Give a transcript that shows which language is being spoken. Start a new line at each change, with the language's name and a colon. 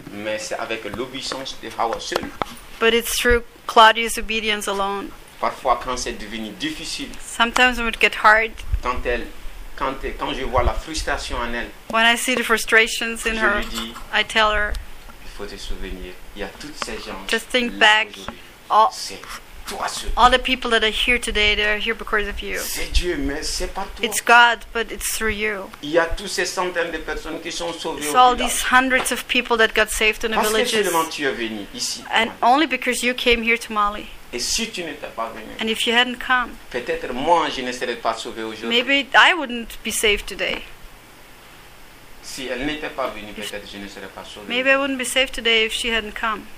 French: Mais c'est avec l'obéissance de Hawa seul.
English: But it's through Claudia's obedience alone.
French: Parfois, quand c'est devenu difficile.
English: Sometimes it would get hard.
French: Quand je vois la frustration en elle.
English: When I see the frustrations in her, I tell her.
French: Il faut te souvenir. Il y a toutes ces gens.
English: Just think back. All the people that are here today, they are here because of you.
French: C'est Dieu, mais c'est pas toi.
English: It's God, but it's through you.
French: Il y a tous ces centaines de personnes qui sont sauvées.
English: It's all these hundreds of people that got saved in the villages.
French: Parce que seulement tu es venu ici.
English: And only because you came here to Mali.
French: Et si tu n'étais pas venu.
English: And if you hadn't come.
French: Peut-être moi je ne serais pas sauvé aujourd'hui.
English: Maybe I wouldn't be saved today.
French: Si elle n'était pas venue, peut-être je ne serais pas sauvé.
English: Maybe I wouldn't be saved today if she hadn't come.